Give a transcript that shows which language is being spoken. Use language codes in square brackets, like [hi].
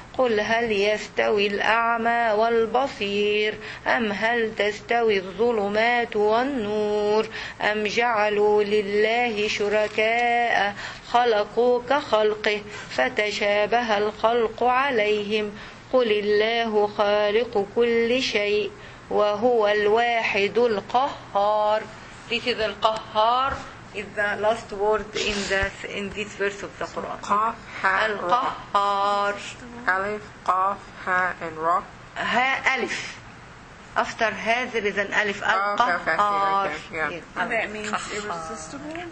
[ar] قل هل يستوي الأعمى والبصير أم هل تستوي الظلمات والنور أم جعلوا لله شركاء خلقوا كخلقه فتشابه الخلق عليهم قل الله خالق كل شيء وهو الواحد القهار. [en] This is القهار is the last word in this verse of the Quran. [ar] القهار. [en] Alif, قاف, ها, and را. [ar] ها ألف. [en] After ها there is an ألف. القهار. Okay, okay, okay. Yeah. Yeah. And that means irresistible.